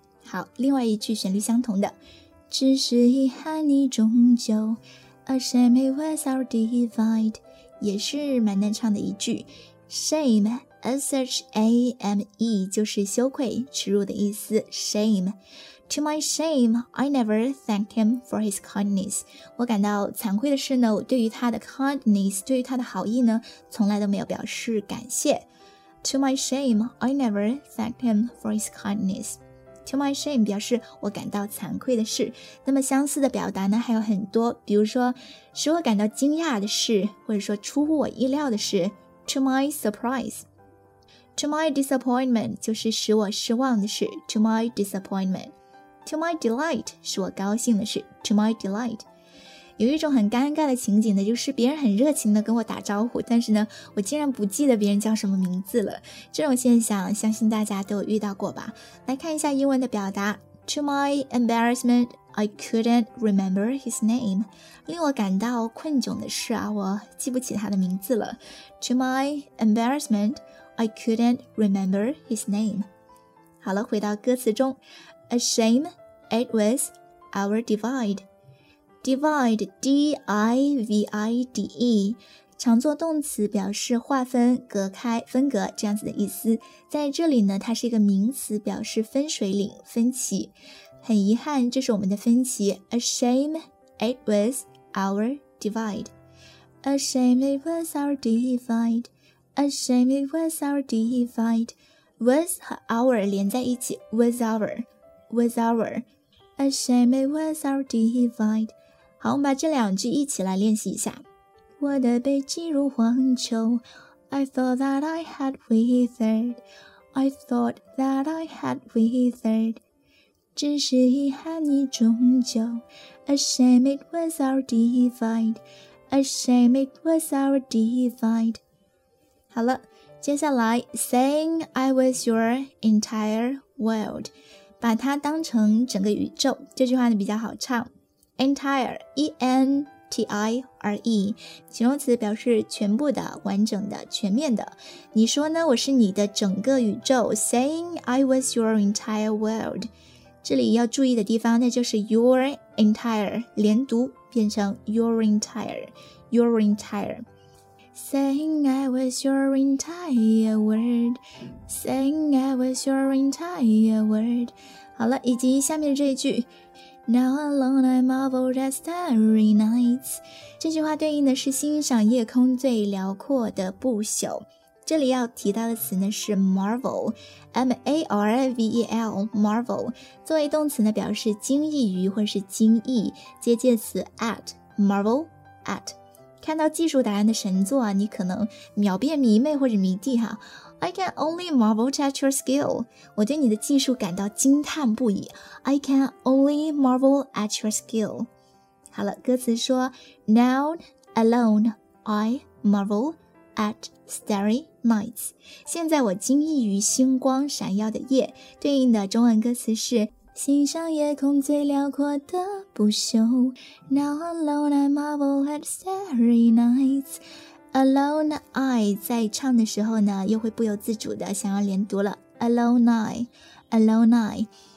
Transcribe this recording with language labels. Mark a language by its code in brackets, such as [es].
[zh] 好，另外一句旋律相同的，只是遗憾你终究 [en] A shame it was our divide， [zh] 也是蛮难唱的一句。 Shame S-H-A-M-E 就是羞愧耻辱的意思， Shame [en] To my shame, I never thanked him for his kindness. [zh] 我感到惭愧的是呢，我对于他的 kindness, 对于他的好意呢，从来都没有表示感谢。 [en] To my shame, I never thanked him for his kindness. To my shame [zh] 表示我感到惭愧的是。那么相似的表达呢还有很多，比如说使我感到惊讶的是，或者说出乎我意料的是 [en] To my surprise. To my disappointment [zh] 就是使我失望的是 [en] To my disappointment To my delight [zh] 使我高兴的是 [en] To my delight [zh] 有一种很尴尬的情景呢，就是别人很热情的跟我打招呼，但是呢我竟然不记得别人叫什么名字了。这种现象相信大家都有遇到过吧。来看一下英文的表达。 [en] To my embarrassment I couldn't remember his name [zh] 令我感到困窘的是啊，我记不起他的名字了。 [en] To my embarrassmentI couldn't remember his name. [zh] 好了，回到歌词中。 [en] A shame it was our divide. Divide, D-I-V-I-D-E. [zh] 常做动词表示划分、隔开、分隔这样子的意思。在这里呢，它是一个名词表示分水岭、分歧。很遗憾，这是我们的分歧。 [en] A shame it was our divide. A shame it was our divide. A shame it was our divide. Was 和 our [zh] 连在一起 [en] Was our Was our A shame it was our divide. [zh] 好，我们把这两句一起来练习一下。我的背脊如荒丘 [en] I thought that I had withered I thought that I had withered [zh] 只是遗憾你终究 [en] A shame it was our divide. A shame it was our divide. [zh] 好了，接下来 [en] saying I was your entire world, [zh] 把它当成整个宇宙，这句话呢比较好唱。 Entire, E-N-T-I-R-E, 形容词表示全部的、完整的、全面的。你说呢，我是你的整个宇宙 , [en] saying I was your entire world。 [zh] 这里要注意的地方呢就是 [en] your entire, [zh] 连读变成 your entire, your entire。 [en] Saying I was your entire world Saying I was your entire world [zh] 好了，以及下面这一句 [en] Now alone I marveled at starry nights [zh] 这句话对应的是欣赏夜空最辽阔的不朽。这里要提到的词呢是 marvel M-A-R-V-E-L Marvel 作为动词呢表示惊异于或是惊异，接介词 at Marvel at看到技术答案的神作啊，你可能秒变迷妹或者迷弟哈。 [en] I can only marvel at your skill. [zh] 我对你的技术感到惊叹不已。 [en] I can only marvel at your skill. [zh] 好了，歌词说 [en] Now alone I marvel at starry nights. [zh] 现在我惊异于星光闪耀的夜。对应的中文歌词是欣赏夜空最辽阔的不朽 [en] Now alone I marvel at starry nights [zh] Alone I 在唱的时候呢又会不由自主的想要连读了 [en] Alone I Alone I